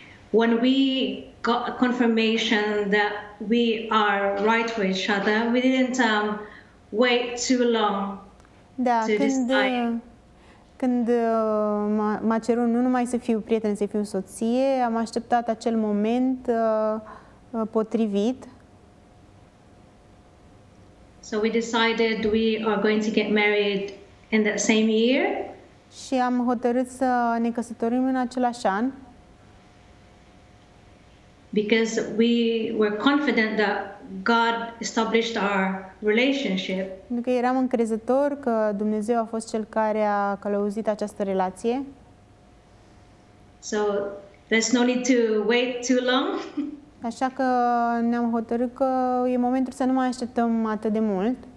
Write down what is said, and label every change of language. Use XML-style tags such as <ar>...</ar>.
<en>When we got a confirmation that we are right for each other, we didn't wait too long.</en> <ro>Da, to când m-a cerut nu numai să fiu prieten, să fiu soție, am așteptat acel moment potrivit.</ro> <en>So we decided we are going to get married in that same year.</en> <ro>Și am hotărât să ne căsătorim în același an.</ro> <en>Because we were confident that God established our relationship.</en> <ro>Pentru că eram încrezător că Dumnezeu a fost cel care a călăuzit această relație.</ro> <en>So there's no need to wait too long.</en> <ro>Așa că ne-am hotărât că e momentul să nu mai așteptăm atât de mult.</ro>